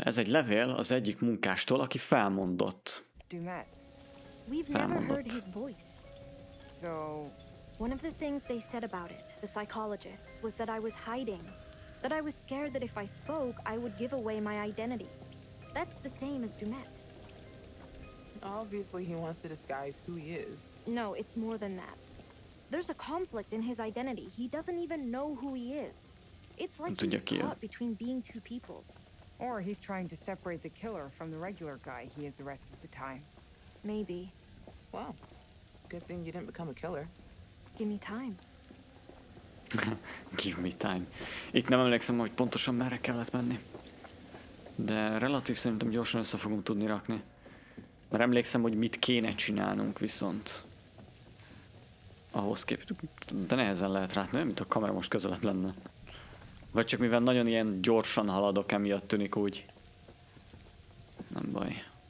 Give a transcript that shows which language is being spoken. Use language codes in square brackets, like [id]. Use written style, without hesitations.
[hu] Ez egy levél az egyik munkástól, aki felmondott. [en] Dumet. We've never heard his voice. So, one of the things they said about it, the psychologists, was that I was hiding, that I was scared that if I spoke, I would give away my identity. That's the same as Dumet. Obviously, he wants to disguise who he is. No, it's more than that. There's a conflict in his identity. He doesn't even know who he is. It's like he's caught between being two people. Or he's trying to separate the killer from the regular guy he is the rest of the time. Maybe. Well, good thing you didn't become a killer. Give me time. Give me time. [hu] Itt nem emlékszem, hogy pontosan merre kellett menni. De relatív szerintem gyorsan össze fogunk tudni rakni. Mert emlékszem, hogy mit kéne csinálnunk viszont. Ahhoz képest. De nehezen lehet rá, nem, mint a kamera most közelebb lenne. Vagy csak mivel nagyon ilyen gyorsan haladok, emiatt tűnik úgy. Nem baj.